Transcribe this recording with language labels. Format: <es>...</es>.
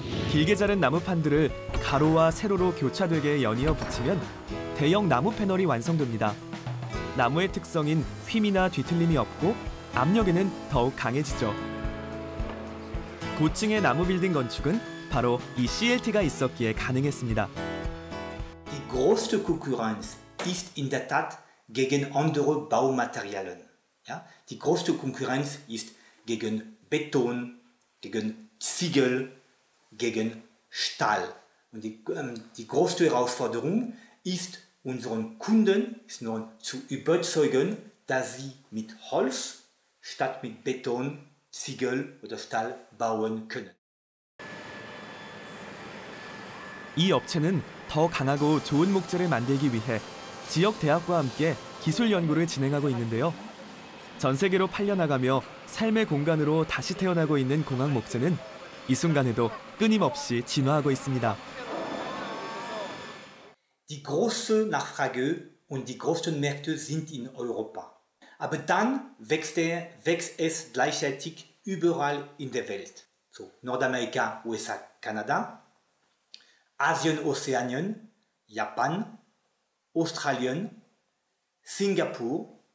<ko>길게 자른 나무판들을 가로와 세로로 교차되게 연이어 붙이면 대형 나무 패널이 완성됩니다. 나무의 특성인 휘미나 뒤틀림이 없고 압력에는 더욱 강해지죠. 고층의 나무 빌딩 건축은 바로 이 CLT가 있었기에 가능했습니다.</ko> <de>Die größte Konkurrenz ist in der Tat gegen andere Baumaterialien. Ja? Die größte Konkurrenz ist gegen Beton, gegen Ziegel, gegen Stahl. Und die größte Herausforderung ist, unseren Kunden zu überzeugen, dass sie mit Holz statt mit Beton, Ziegel oder Stahl bauen können.</de> <ko>이 업체는 더 강하고 좋은 목재를 만들기 위해 지역 대학과 함께 기술 연구를 진행하고 있는데요. 전 세계로 팔려나가며 삶의 공간으로 다시 태어나고 있는 공학 목재는 이 순간에도 끊임없이 진화하고 있습니다.</ko> <de>Die große Nachfrage und die großen Märkte sind in Europa. Aber dann wächst es gleichzeitig überall in der Welt. So Nordamerika, USA, Kanada, Asien, Ozeanien, Japan, Australien, Singapur.</de>